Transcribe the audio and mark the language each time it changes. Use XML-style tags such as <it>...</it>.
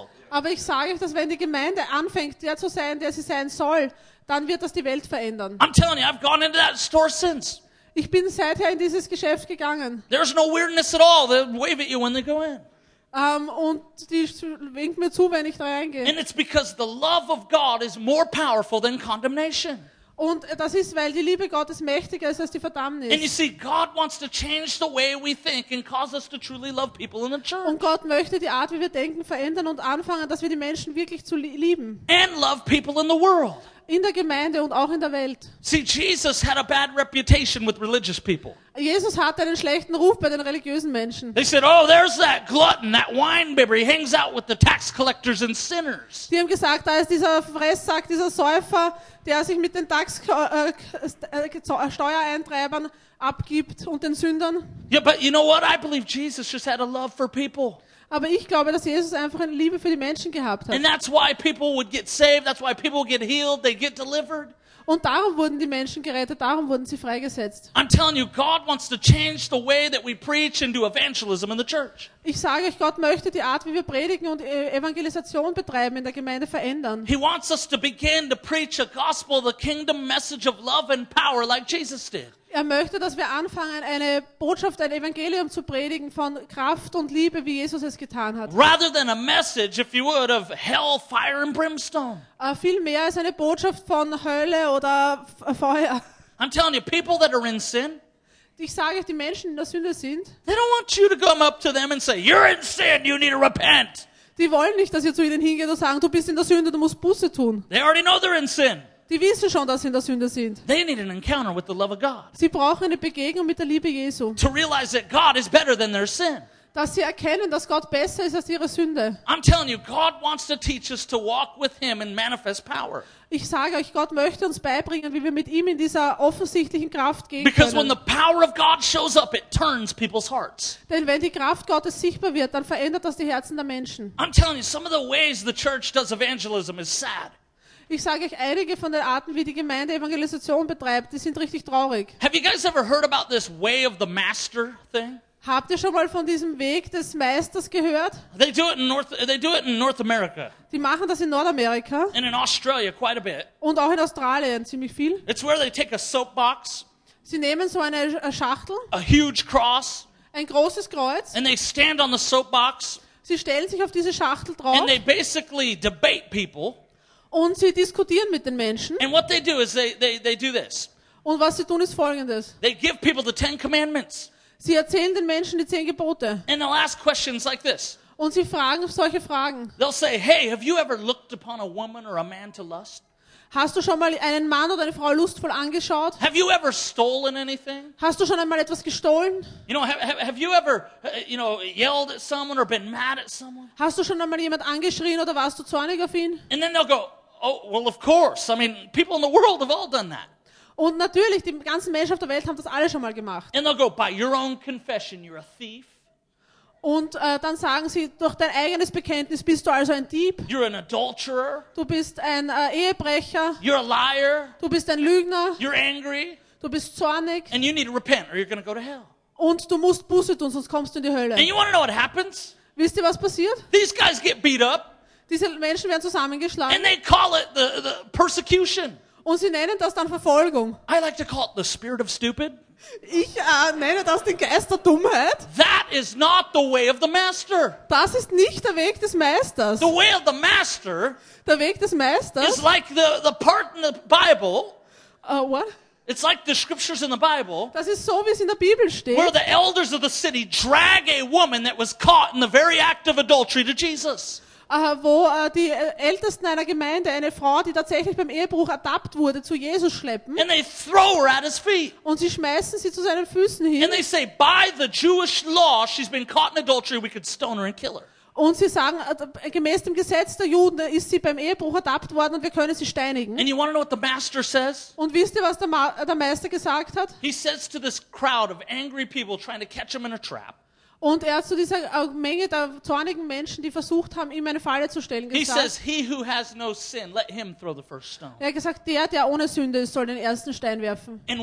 <de>Aber ich sage euch, dass wenn die Gemeinde anfängt, der zu sein, der sie sein soll, dann wird das die Welt verändern.</de> <en>I'm telling you, I've gone into that store since.</en> <de>Ich bin seither in dieses Geschäft gegangen.</de> <en>There's no weirdness at all. They wave at you when they go in.</en> <de>Und die winkt mir zu, wenn ich da reingehe.</de> <en>And it's because the love of God is more powerful than condemnation.</en> <de>Und das ist, weil die Liebe Gottes mächtiger ist als die Verdammnis.</de> <en>And you see, God wants to change the way we think and cause us to truly love people in the church.</en> <de>Und Gott möchte die Art, wie wir denken, verändern und anfangen, dass wir die Menschen wirklich zu lieben.</de> <en>And love people in the world.</en> <de>In der Gemeinde und auch in der Welt.</de> <en>See, Jesus had a bad reputation with religious people.</en> <de>Jesus hatte einen schlechten Ruf bei den religiösen Menschen.</de> <en>They said, oh, there's that glutton, that winebibber. He hangs out with the tax collectors and sinners.</en> <de>Die haben gesagt, da ist dieser Fresssack, dieser Säufer, der sich mit den Steuereintreibern abgibt und den Sündern.</de> <en>Yeah, but you know what? I believe Jesus just had a love for people.</en> <de>Aber ich glaube, dass Jesus einfach eine Liebe für die Menschen gehabt hat.</de> <en>And that's why people would get saved. That's why people would get healed. They get delivered.</en> <de>Und darum wurden die Menschen gerettet. Darum wurden sie freigesetzt.</de> <en>I'm telling you, God wants to change the way that we preach and do evangelism in the church.</en> <de>Ich sage euch, Gott möchte die Art, wie wir predigen und Evangelisation betreiben in der Gemeinde verändern.</de> <en>He wants us to begin to preach a gospel, the kingdom message of love and power, like Jesus did.</en> <de>Er möchte, dass wir anfangen, eine Botschaft, ein Evangelium zu predigen von Kraft und Liebe, wie Jesus es getan hat.</de> <en>Rather than a message, if you would, of hell, fire and brimstone.</en> <de>Viel mehr als eine Botschaft von Hölle oder Feuer.</de> <en>I'm telling you, people that are in sin.</en> <de>Ich sage euch, die Menschen, die in der Sünde sind.</de> <en>They don't want you to come up to them and say, you're in sin, you need to repent.</en> <de>Die wollen nicht, dass ihr zu ihnen hingeht und sagt, du bist in der Sünde, du musst Buße tun.</de> <en>They already know they're in sin.</en> <de>Die wissen schon, dass sie in der Sünde sind.</de> <en>They need an encounter with the love of God.</en> <de>Sie brauchen eine Begegnung mit der Liebe Jesu.</de> <en>To realize that God is better than their sin.</en> <de>Dass sie erkennen, dass Gott besser ist als ihre Sünde.</de> <en>I'm telling you, God wants to teach us to walk with him in manifest power.</en> <de>Ich sage euch, Gott möchte uns beibringen, wie wir mit ihm in dieser offensichtlichen Kraft gehen</de> <en>Because</en> <de>können.</de> <en>When the power of God shows up, it turns people's hearts.</en> <de>Denn wenn die Kraft Gottes sichtbar wird, dann verändert das die Herzen der Menschen.</de> <en>I'm telling you, some of the ways the church does evangelism is sad.</en> <de>Ich sage euch, einige von den Arten, wie die Gemeinde Evangelisation betreibt, die sind richtig traurig.</de> <en>Have you guys ever heard about this way of the master thing?</en> <de>Habt ihr schon mal von diesem Weg des Meisters gehört?</de> <en>They do it in North America.</en> <de>Die machen das in Nordamerika.</de> <en>And in Australia quite a bit.</en> <de>Und auch in Australien ziemlich viel.</de> <en>It's where they take a soapbox.</en> <de>Sie nehmen so eine Schachtel.</de> <en>A huge cross.</en> <de>Ein großes Kreuz.</de> <en>And they stand on the soapbox.</en> <de>Sie stellen sich auf diese Schachtel drauf.</de> <en>And they basically debate people.</en> <de>Und sie diskutieren mit den Menschen.</de> <en>And what they do is they do this.</en> <de>Und was sie tun ist Folgendes.</de> <en>They give people the Ten Commandments.</en> <de>Sie erzählen den Menschen die zehn Gebote.</de> <en>And they'll ask questions like this.</en> <de>Und sie fragen solche Fragen.</de> <en>They'll say, hey, have you ever looked upon a woman or a man to lust?</en> <de>Hast du schon mal einen Mann oder eine Frau lustvoll angeschaut?</de> <en>Have you ever stolen anything?</en> <de>Hast du schon einmal etwas gestohlen?</de> <en>You know, have you ever, you know, yelled at someone or been mad at someone?</en> <de>Hast du schon einmal jemand angeschrien oder warst du zornig auf ihn?</de> <en>And then they'll go, oh, well, of course. I mean, people in the world have all done that.</en> <de>Und natürlich, die ganzen Menschen auf der Welt haben das alle schon mal gemacht.</de> <en>And they'll go, by your own confession, you're a thief.</en> <de>Und dann sagen sie, durch dein eigenes Bekenntnis bist du also ein Dieb.</de> <en>You're an adulterer.</en> <de>Du bist ein Ehebrecher.</de> <en>You're a liar.</en> <de>Du bist ein Lügner.</de> <en>You're angry.</en> <de>Du bist zornig.</de> <en>And you need to repent or you're gonna go to hell.</en> <de>Und du musst Buße tun, sonst kommst du in die Hölle.</de> <en>And you wanna know what happens?</en> <de>Wisst ihr, was passiert?</de> <en>These guys get beat up.</en> <de>Diese Menschen werden zusammengeschlagen.</de> <en>And they call it the persecution.</en> <de>Und sie nennen das dann Verfolgung.</de> <en>I like to call it the spirit of stupid.</en> <de>Ich nenne das den Geist der Dummheit.</de> <en>That is not the way of the master.</en> <de>Das ist nicht der Weg des Meisters.</de> <en>The way of the master.</en> <de>Der Weg des Meisters.</de> <en>Is like the part in the Bible. What? It's like the scriptures in the Bible.</en> <de>Das ist so, wie es in der Bibel steht.</de> <en>Where the elders of the city drag a woman that was caught in the very act of adultery to Jesus.</en> <de>Wo die Ältesten einer Gemeinde eine Frau, die tatsächlich beim Ehebruch ertappt wurde, zu Jesus schleppen.</de> <en>And they throw her at his feet.</en> <de>Und sie schmeißen sie zu seinen Füßen hin.</de> <en>And they say, by the Jewish law, she's been caught in adultery. We could stone her and kill her.</en> <de>Und sie sagen, gemäß dem Gesetz der Juden ist sie beim Ehebruch ertappt worden und wir können sie steinigen.</de> <en>And you want to know what the master says?</en> <de>Und wisst ihr, was der Meister gesagt hat?</de> <en>He says to this crowd of angry people trying to catch him in a trap.</en> <de>Und er hat zu dieser Menge der zornigen Menschen, die versucht haben, ihm eine Falle zu stellen, gesagt, er hat gesagt, der ohne Sünde ist, soll den ersten Stein werfen.</de>